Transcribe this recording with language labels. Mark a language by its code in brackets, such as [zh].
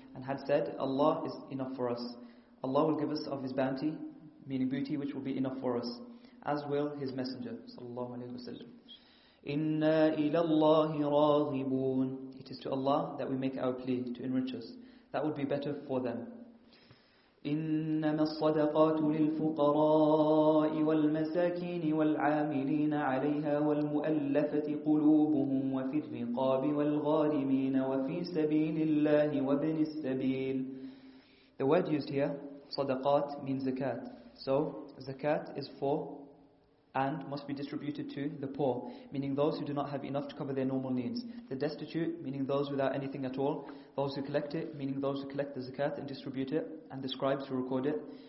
[en] And had said, Allah is enough for us. Allah will give us of His bounty, meaning beauty, which will be enough for us, as will His Messenger sallallahu alaihi wasallam. [ar] إِنَّا إِلَى اللَّهِ رَاغِبُونَ. [en] It is to Allah that we make our plea to enrich us. That would be better for them. [ar] إنما الصدقات للفقراء والمساكين والعاملين عليها والمؤلفة قلوبهم وفي الرقاب والغارمين وفي سبيل الله وابن السبيل. [en] The word used here, صدقات, means zakat. So, zakat is for and must be distributed to the poor, meaning those who do not have enough to cover their normal needs. The destitute, meaning those without anything at all. Those who collect it, meaning those who collect the zakat and distribute it, and the scribes who record it.